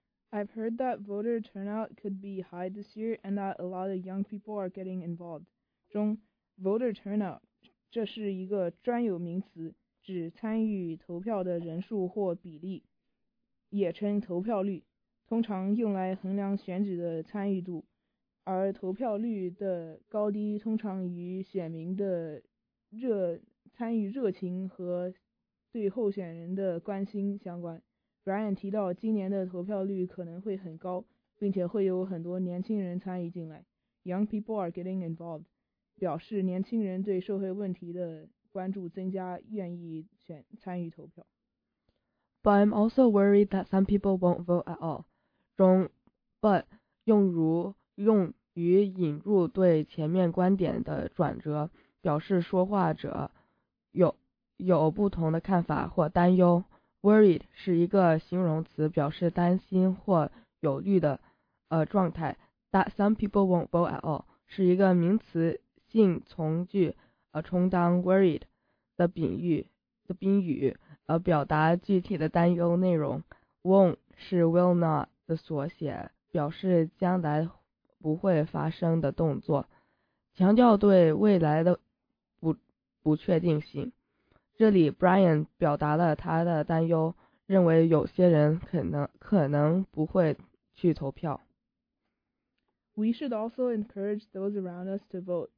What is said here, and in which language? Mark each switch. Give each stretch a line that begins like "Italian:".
English: I've heard that voter turnout could be high this year and that a lot of young people are getting involved.
Chinese: 中Voter turnout 这是一个专有名词，指参与投票的人数或比例，也称投票率，通常用来衡量选举的参与度，而投票率的高低通常与选民的参与热情和对候选人的关心相关。 Brian 提到今年的投票率可能会很高，并且会有很多年轻人参与进来。
English: Young people are getting involved
Chinese: 表示年轻人对社会问题的关注增加，愿意参与投票。
English: But I'm also worried that some people won't vote at all.
Chinese: 中 but 用于引入对前面观点的转折，表示说话者有不同的看法或担忧。 Worried 是一个形容词，表示担心或有虑的状态。
English: That some people won't vote at all
Chinese: 是一个名词性从句，充当 worried 的宾语，表达具体的担忧内容。 Won't 是 will not 的缩写，表示将来不会发生的动作，强调对未来的不确定性。这里 Brian 表达了他的担忧，认为有些人可能不会去投票。
English: We should also encourage those around us to vote.